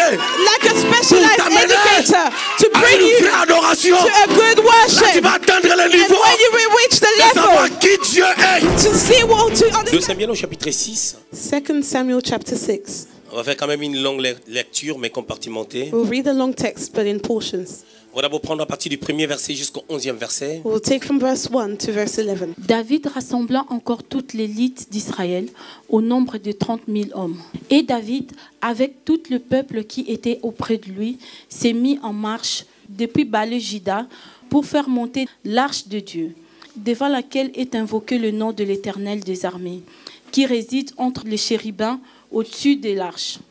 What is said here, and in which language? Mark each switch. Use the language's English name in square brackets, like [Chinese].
[English] Like a specialized educator to bring you to a good worship. [French] Là, tu vas atteindre le niveau. [English] And when you reach the level, [French] qui Dieu est. [English] To see what to understand. [French] 2 Samuel chapitre 6. On va faire quand même une longue lecture, mais compartimentée. [English] We'll read a long text, but in portions. [French] On va d'abord prendre à partir du premier verset jusqu'au 11e verset. [English] We'll take from verse 1 to verse 11. [French] David rassembla encore toute l'élite d'Israël au nombre de 30 000 hommes. Et David, avec tout le peuple qui était auprès de lui, s'est mis en marche depuis Baal-Jida pour faire monter l'arche de Dieu, devant laquelle est invoqué le nom de l'Éternel des armées, qui réside entre les chérubins au-dessus de l'arche.